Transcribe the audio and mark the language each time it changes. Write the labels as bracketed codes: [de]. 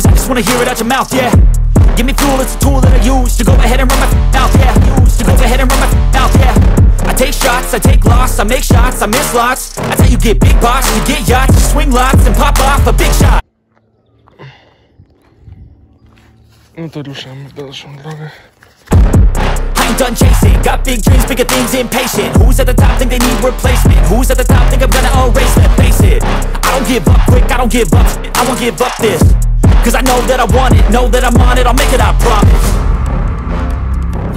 [en] Wanna hear it out your mouth, yeah. Give me fuel, it's a tool that I use to go ahead and run my mouth, yeah. Use to go ahead and run my mouth, yeah. I take shots, I take loss, I make shots, I miss lots. I tell you get big box, you get yachts, you swing lots and pop off a big shot. [pl] No to ruszamy w dalszą drogę. [en] Done chasing, got big dreams, bigger things, impatient. Who's at the top, think they need replacement? Who's at the top, think I'm gonna erase them? Face it, I don't give up quick, I don't give up, I won't give up this. Cause I know that I want it, know that I'm on it, I'll make it, I promise.